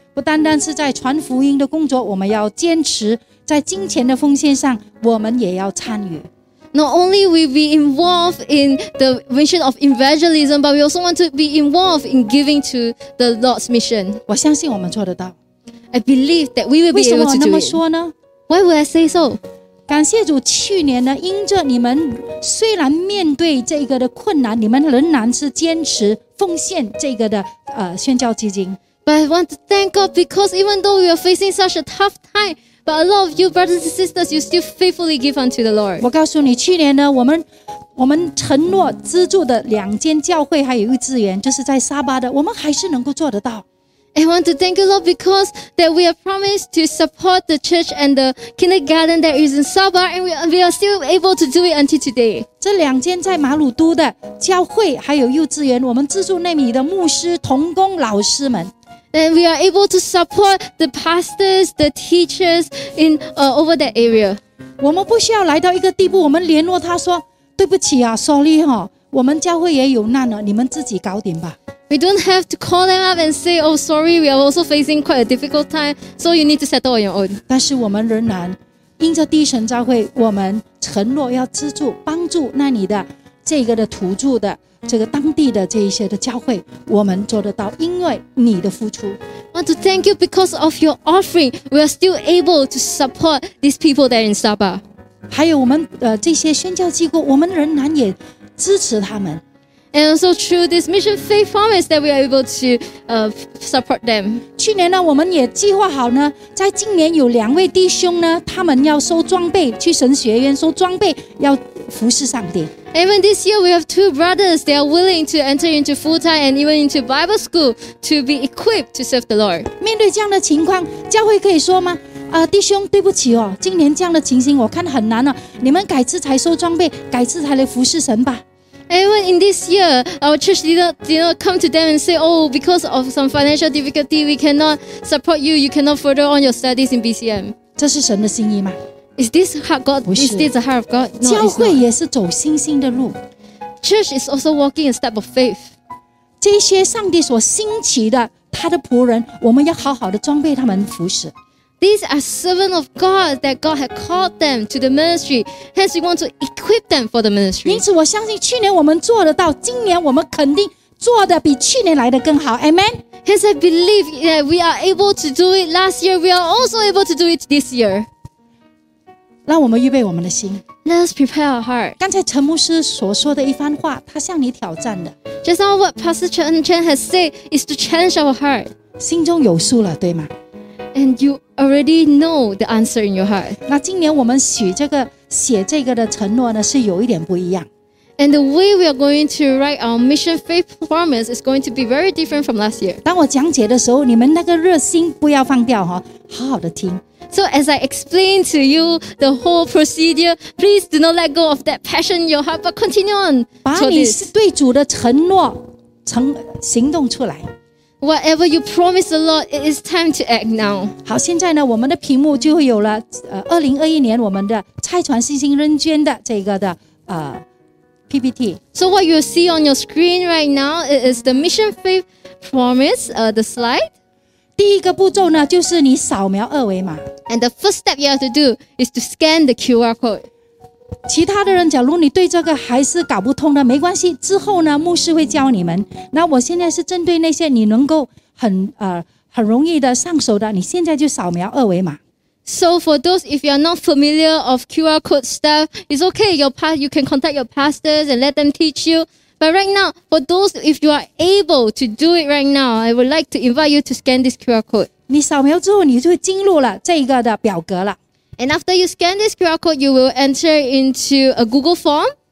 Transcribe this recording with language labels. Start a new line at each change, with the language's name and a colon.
Chinese: 不单单是在传福音的工作，我们要坚持在金钱的奉献上，我们也要参与。
English: Not only will we be involved in the mission of evangelism, but we also want to be involved in giving to the Lord's mission.
Chinese: 我相信我们做得到。
English: I believe that we will be able to do it.
Chinese: 为什么我那么说呢？
English: Why would I say so?
Chinese: 感谢主，去年呢，因着你们虽然面对这个的困难，你们仍然是坚持奉献这个的宣教基金。
English: But I want to thank God because even though we are facing such a tough time, but a lot of you brothers and sisters, you still faithfully give unto the Lord.
Chinese: 我告诉你，去年呢，我们承诺资助的两间教会还有一个资源，就是在沙巴的，我们还是能够做得到。
English: I want to thank you, Lord, because that we have promised to support the church and the kindergarten that is in Sabah, and we are still able to do it until today.
Chinese: 这两间在马鲁都的教会还有幼稚园，我们资助那里的牧师、童工、老师们。
English: And we are able to support the pastors, the teachers in over that area.
Chinese: 我们不需要来到一个地步，我们联络他说：“对不起啊 ，sorry 哈、哦，我们教会也有难了，你们自己搞点吧。”
English: We don't have to call them up and say, oh, sorry, we are also facing quite a difficult time, so you need to settle on your own.
Chinese: 但是我们仍然因着第一神召会，我们承诺要资助帮助那里的这个的土著的这个当地的这一些的教会，我们做得到，因为你的付出。
English: I want to thank you because of your offering. We are still able to support these people there in Sabah.
Chinese: 还有我们这些宣教机构，我们仍然也支持他们。
English: And also through this mission faith promise that we are able to support them.
Chinese: 去年呢，我们也计划好呢，在今年有两位弟兄呢，他们要收装备去神学院收装备，要服侍上帝。
English: Even this year, we have two brothers. They are willing to enter into full time and even into Bible school to be equipped to serve the Lord.
Chinese: 面对这样的情况，教会可以说吗？弟兄，对不起哦，今年这样的情形我看很难了。你们改次才收装备，改次才来服侍神吧。
English: Even in this year, our church did not come to them and say, oh, because of some financial difficulty, we cannot support you, you cannot further on your studies in BCM.
Chinese: 这是神的心意吗？
English: Is this heart God? Is this the heart of God?
Chinese: No, 教会也是走信心的路。
English: Church is also walking a step of faith.
Chinese: 这些上帝所兴起的他的仆人，我们要好好的装备他们服侍。
English: These are servants of God that God had called them to the ministry. Hence, we want to equip them for the ministry.
Chinese: 因此，我相信去年我们做得到，今年我们肯定做得比去年来得更好。
English: Amen. Hence, I believe that we are able to do it last year. We are also able to do it this year.
Chinese: 让我们预备我们的心。
English: Let us prepare our heart.
Chinese: 刚才陈牧师所说的一番话，他向你挑战的。
English: Just now what Pastor Chen has said is to challenge our heart.
Chinese: 心中有数了，对吗？
English: And you already know the answer in your heart.
Chinese: 那今年我们写这个的承诺呢，是有一点不一样。
English: And the way we are going to write our mission faith promise is going to be very different from last year.
Chinese: 当我讲解的时候，你们那个热心不要放掉哈，好好的听。
English: So as I explain to you the whole procedure, please do not let go of that passion in your heart, but continue on.
Chinese: 把你对主的承诺行动出来。
English: Whatever you promise the Lord, it is time to act now.
Chinese: 好，现在呢，我们的屏幕就有了2021年我们的拆船信心扔捐的这个的PPT.
English: So what you see on your screen right now is the mission faith promise, the slide.
Chinese: 第一个步骤呢，就是你扫描二维码。
English: And the first step you have to do is to scan the QR code.
Chinese: 其他的人，假如你对这个还是搞不通的，没关系，之后呢，牧师会教你们。那我现在是针对那些你能够很容易的上手的，你现在就扫描二维码。
English: So for those, if you are not familiar of QR code stuff, it's okay. You can contact your pastors and let them teach you. But right now, for those, if you are able to do it right now, I would like to invite you to scan this QR code.
Chinese: 你扫描之后，你就进入了这个的表格了。
English: And after you scan this QR code, you will enter into a Google form.